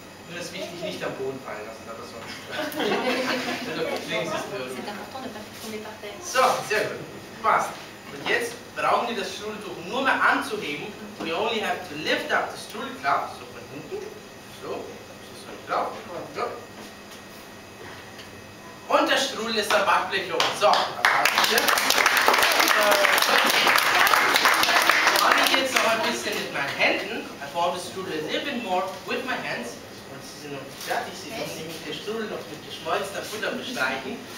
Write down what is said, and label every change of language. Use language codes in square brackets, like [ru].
[de] Nur ist wichtig, nicht am Boden fallen lassen, aber sonst. So, sehr gut. Passt. Und jetzt brauchen wir das Strudeltuch nur mehr anzuheben. [en] We only have to lift up the strudel cup. [de] So von hinten. So. So, so. Und der Strudel ist am Backblech oben. So, mache ich jetzt noch ein bisschen mit meinen Händen. [en] I form the strudel a little bit more with my hands. [de] Und sie sind noch nicht fertig. Sie müssen nämlich den Strudel noch mit geschmolzener Butter bestreichen.